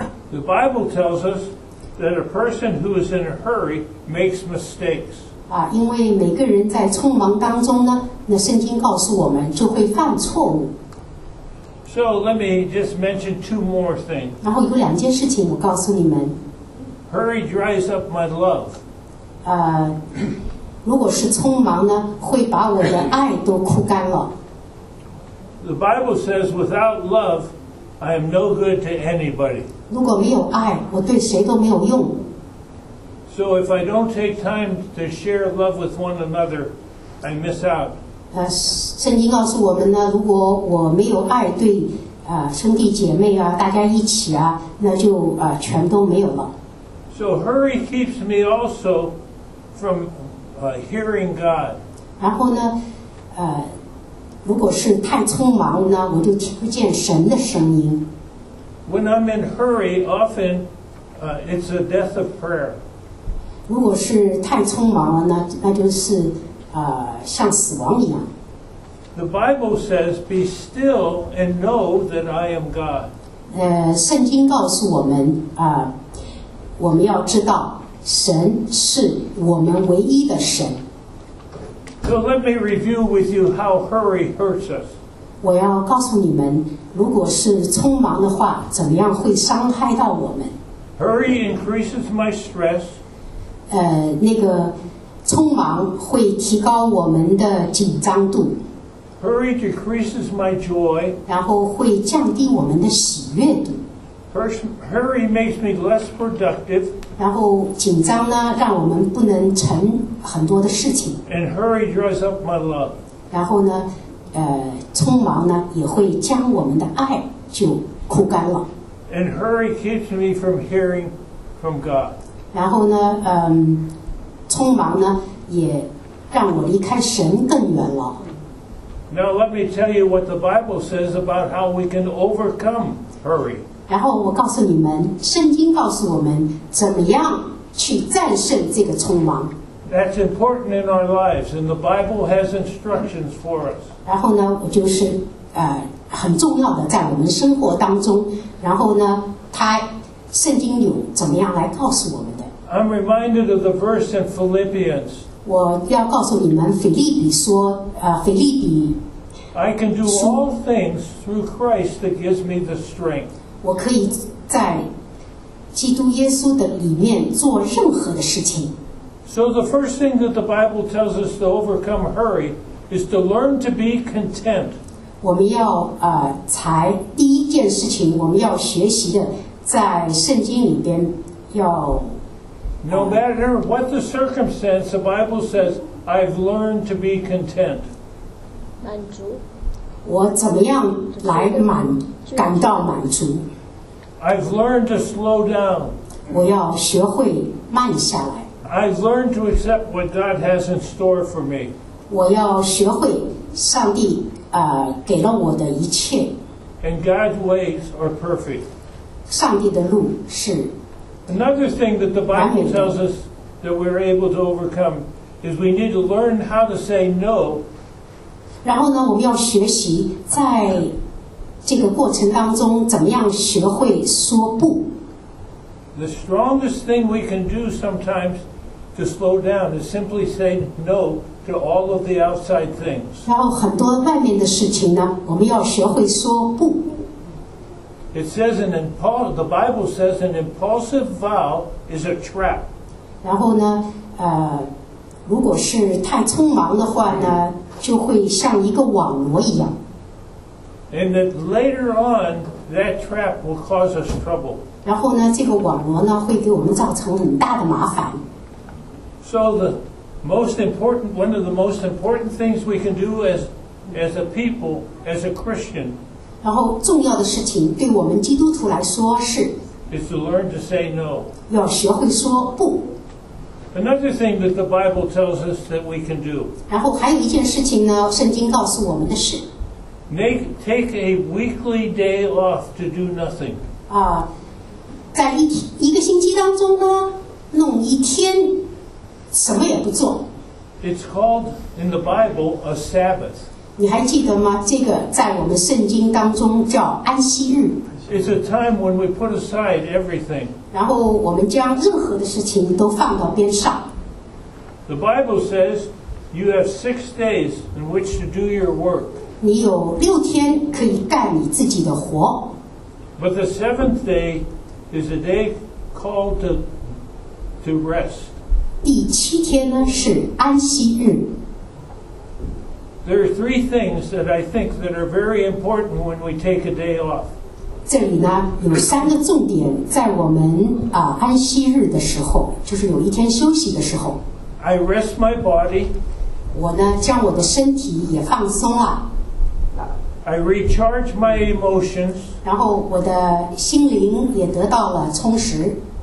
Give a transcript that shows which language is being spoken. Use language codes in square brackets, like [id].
[en] The Bible tells us that a person who is in a hurry makes mistakes. [zh] 啊，因为每个人在匆忙当中呢，那圣经告诉我们就会犯错误。 [en] So let me just mention two more things. [zh] 然后有两件事情我告诉你们。 [en] Hurry dries up my love. [zh] 如果是匆忙呢，会把我的爱都枯干了。 [en] The Bible says, without love, I am no good to anybody. [zh] 如果没有爱，我对谁都没有用。 [en] So if I don't take time to share love with one another, I miss out. [zh] 圣经告诉我们呢，如果我没有爱对兄弟姐妹啊，大家一起啊，那就全都没有了。 [en] So hurry keeps me also from hearing God. [zh] 然后呢，如果是太匆忙呢，我就听不见神的声音。 [en] When I'm in hurry, often it's a death of prayer. [zh] 如果是太匆忙了呢，那就是像死亡一样。 [en] The Bible says, "Be still and know that I am God." [zh] 圣经告诉我们我们要知道神是我们唯一的神。 [en] So let me review with you how hurry hurts us. [zh] 我要告诉你们，如果是匆忙的话，怎么样会伤害到我们。 [en] Hurry increases my stress. [zh] 那个匆忙会提高我们的紧张度。 [en] Hurry decreases my joy. [zh] 然后会降低我们的喜悦度。 [en] Hurry makes me less productive. [zh] 然后紧张呢，让我们不能成很多的事情。 [en] And hurry dries up my love. [zh] 然后呢，匆忙呢，也会将我们的爱就枯干了。 [en] And hurry keeps me from hearing from God. [zh] 然后呢，匆忙呢，也让我离开神更远了。 [en] Now let me tell you what the Bible says about how we can overcome hurry. [zh] 然后我告诉你们，圣经告诉我们怎么样去战胜这个匆忙。 [en] That's important in our lives, and the Bible has instructions for us. [zh] 然后呢，我就是很重要的在我们生活当中。然后呢，他圣经有怎么样来告诉我们的 [en] ？I'm reminded of the verse in Philippians. [zh] 我要告诉你们，腓立比说，腓立比。 [en] I can do all things through Christ that gives me the strength. [zh] 我可以在基督耶稣的里面做任何的事情。 [en] So the first thing that the Bible tells us to overcome hurry is to learn to be content. [zh] 我们要才第一件事情，我们要学习的，在圣经里边要。 [en] No matter what the circumstance, the Bible says, "I've learned to be content." [zh] 满足。我怎么样来满感到满足 [en] ？I've learned to slow down. [zh] 我要学会慢下来。 [en] I've learned to accept what God has in store for me. [zh] 我要学会上帝给了我的一切。 [en] And God's ways are perfect. [zh] 上帝的路是。 [en] Another thing that the Bible tells us that we're able to overcome is we need to learn how to say no. [zh] 然后呢，我们要学习在这个过程当中怎么样学会说不。 [en] The strongest thing we can do sometimes to slow down is simply say no to all of the outside things. [zh] 然后很多外面的事情呢，我们要学会说不。 [en] It says an the Bible says an impulsive vow is a trap. [zh] 然后呢，如果是太匆忙的话呢，就会像一个网罗一样。 [en] And that later on, that trap will cause us trouble. [zh] 然后呢，这个网罗呢，会给我们造成很大的麻烦。 [en] So the most important, one of the most important things we can do as a people, as a Christian. [zh] 然后重要的事情，对我们基督徒来说是。 [en] Is to learn to say no. [zh] 要学会说不。 [en] Another thing that the Bible tells us that we can do. [zh] 然后还有一件事情呢，圣经告诉我们的是。 [en] Take a weekly day off to do nothing. [zh] 啊，在一个星期当中呢，弄一天什么也不做。 [en] It's called in the Bible a Sabbath. [zh] 你还记得吗？这个在我们圣经当中叫安息日。 [en] It's a time when we put aside everything. [zh] 然后我们将任何的事情都放到边上。 [en] The Bible says you have 6 days in which to do your work. [zh] 你有六天可以干你自己的活。 [en] But the 7th day is a day called to rest. [zh] 第七天呢是安息日。 [en] There are 3 things that I think that are very important when we take a day off. [zh] 这里呢有三个重点，在我们安息日的时候，就是有一天休息的时候。 [en] I rest my body. [zh] 我呢将我的身体也放松了。 [en] I recharge my emotions. [zh] 然后我的心灵也得到了充实。